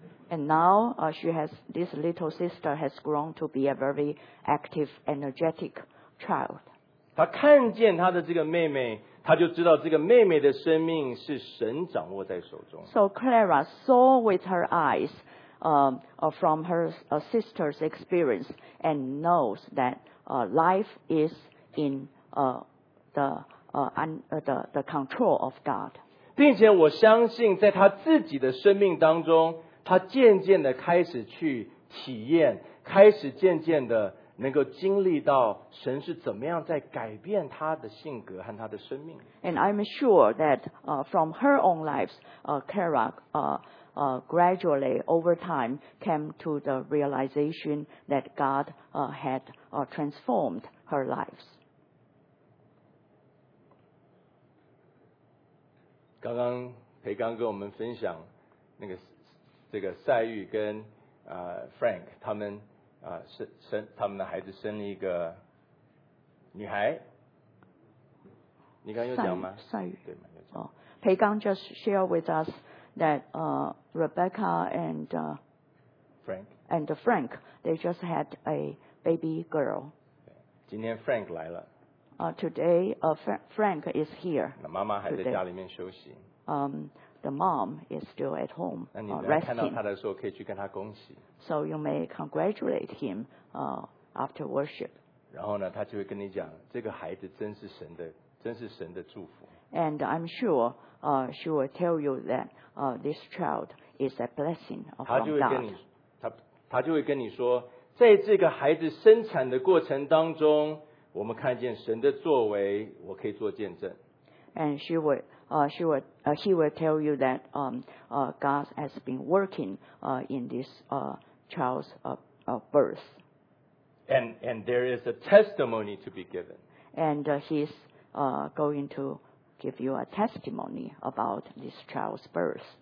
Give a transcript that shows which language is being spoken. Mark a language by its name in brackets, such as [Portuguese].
[English] And now this little sister has grown to be a very active, energetic child. [Chinese] 他看见他的这个妹妹，他就知道这个妹妹的生命是神掌握在手中。 [English] So Clara saw with her eyes, from her sister's experience, and knows that life is in the control of God. [Chinese] 并且我相信，在他自己的生命当中，他渐渐的开始去体验，开始渐渐的。能够经历到神是怎么样在改变他的性格和他的生命。 [English] And I'm sure that from her own lives, Clara gradually over time came to the realization that God had transformed her lives. [Chinese] 刚刚培刚跟我们分享那个这个赛玉跟Frank 他们。他们的孩子生了一个女孩，你刚刚有讲吗？赛玉，对， [English] 培刚 just share with us that Rebecca and Frank they just had a baby girl. [Chinese] 今天 Frank 来了。 [English] Today Frank is here. [Chinese] 那妈妈还在家里面休息。 [English] The mom is still at home. [Chinese] 那你来看到他的时候，可以去跟他恭喜。 [English] So you may congratulate him after worship. [Chinese] 然后呢，他就会跟你讲，这个孩子真是神的，真是神的祝福。 [English] And I'm sure she will tell you that this child is a blessing from God. [Chinese] 他就会跟你说，在这个孩子生产的过程当中，我们看见神的作为，我可以做见证。 [English] And she would, he will tell you that, God has been working, in this, child's, birth. And there is a testimony to be given. And he's, going to give you a testimony about this child's birth.